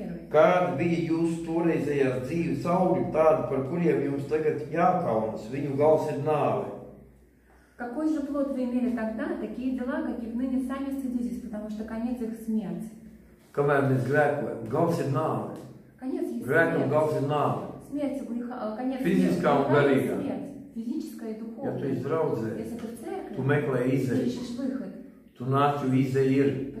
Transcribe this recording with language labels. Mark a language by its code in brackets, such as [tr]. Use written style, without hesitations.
[lv] Kāda bija jūsu toreizējās dzīves augļi, tādi, par kuriem jums tagad jākaunas? Viņu gals ir nāve. [ru] Какой же плод вы имели тогда, такие дела, как и ныне сами стыдитесь, потому что конец их смерть. [lv] Kamēr mēs grēkojam, gals ir nāve. Grēkam gals ir nāve. Fiziskā un garīgā. Ja tu esi draudzē, tu meklē izeju, tu nāc, jo izeja ir.